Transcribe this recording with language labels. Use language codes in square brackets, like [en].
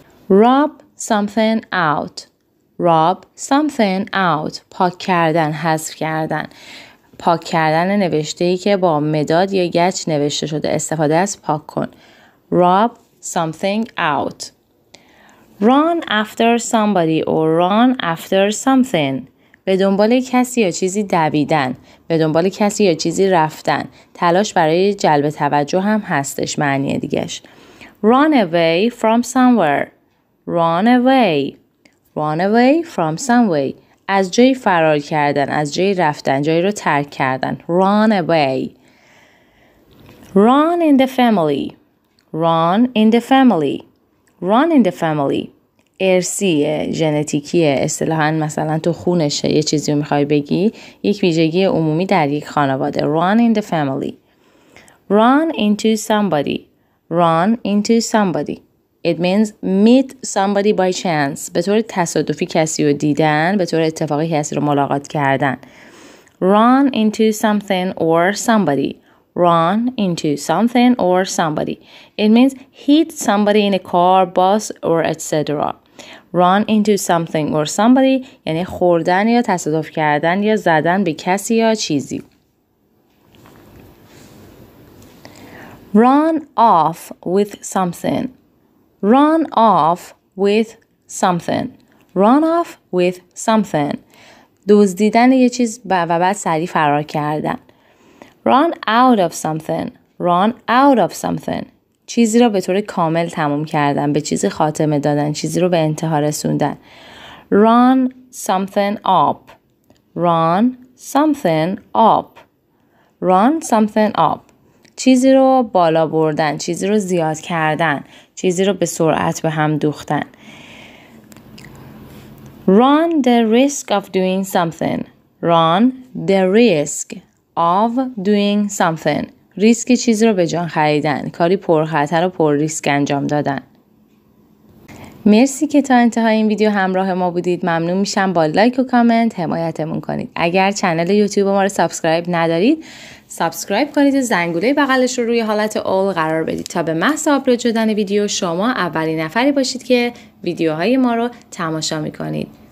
[en] Rub something out. Rub something out. [fa] پاک کردن، حذف کردن. پاک کردن نوشته‌ای که با مداد یا گچ نوشته شده. استفاده از پاک کن. [en] Rub something out. Run after somebody or run after something. [fa] به دنبال کسی یا چیزی دویدن. به دنبال کسی یا چیزی رفتن. تلاش برای جلب توجه هم هستش معنی دیگش. [en] Run away from somewhere. Run away. Run away from somewhere. [fa] از جایی فرار کردن. از جایی رفتن. جایی رو ترک کردن. [en] Run away. Run in the family. Run in the family. Run in the family. [fa] ارثیه، ژنتیکیه، اصطلاحاً مثلا تو خونشه یه چیزی رو میخوای بگی، یک ویژگی عمومی در یک خانواده. [en] Run in the family. Run into somebody. Run into somebody. It means meet somebody by chance. [fa] به طور تصادفی کسی رو دیدن، به طور اتفاقی کسی رو ملاقات کردن. [en] Run into something or somebody. Run into something or somebody. It means hit somebody in a car, bus, or etc. Run into something or somebody. [fa] یعنی خوردن یا تصادف کردن یا زدن به کسی یا چیزی. [en] Run off with something. Run off with something. Run off with something. [fa] دزدیدن یه چیز و بعد سریع فرار کردن. [en] Run out of something. Run out of something. [fa] چیزی رو به طور کامل تموم کردن. به چیزی خاتمه دادن. چیزی رو به انتها رسوندن. [en] Run something up. Run something up. Run something up. [fa] چیزی رو بالا بردن. چیزی رو زیاد کردن. چیزی رو به سرعت به هم دوختن. [en] Run the risk of doing something. Run the risk of doing something. [fa] ریسک چیز رو به جان خریدن. کاری پرخطر و پر ریسک انجام دادن. مرسی که تا انتهای این ویدیو همراه ما بودید. ممنون میشم با لایک و کامنت حمایتمون کنید. اگر چنل یوتیوب ما رو سابسکرایب ندارید، سابسکرایب کنید و زنگوله بغلش رو روی حالت اول قرار بدید تا به محض آپلود شدن ویدیو شما اولین نفری باشید که ویدیوهای ما رو تماشا میکنید.